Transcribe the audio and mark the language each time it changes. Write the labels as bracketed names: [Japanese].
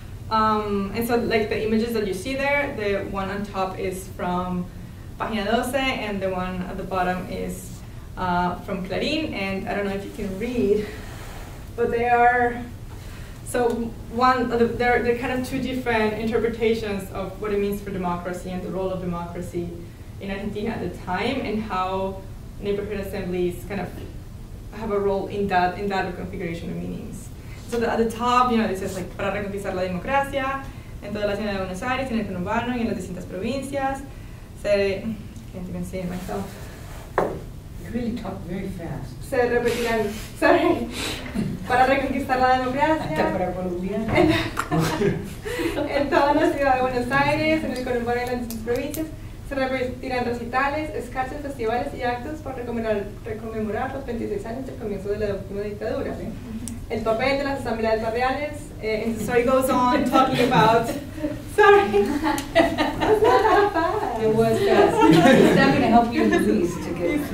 [English] And so like the images that you see there, the one on top is from Página 12, and the one at the bottom is from Clarín, and I don't know if you can read, but they are, so one, they're kind of two different interpretations of what it means for democracy and the role of democracy in Argentina at the time, and how neighborhood assemblies kind of have a role in that reconfiguration of meanings. So at the top, you know, it says like, [Spanish] para reconquistar la democracia en toda la ciudad de Buenos Aires, en el conurbano y en las distintas provincias. [English] Se, I can't even say it myself. Really talk very fast. [Spanish] Sorry. Para reconquistar la democracia. Para Colombia. En toda la ciudad de Buenos Aires, en el conurbano y en las provincias, se repetirán recitales, escarches, festivales y actos para conmemorar los 26 años del comienzo de la dictadura. el papel de las asambleas barriales. [English] And the story goes on talking about, sorry. It was not that bad. It was just, it's not going to help you at least to get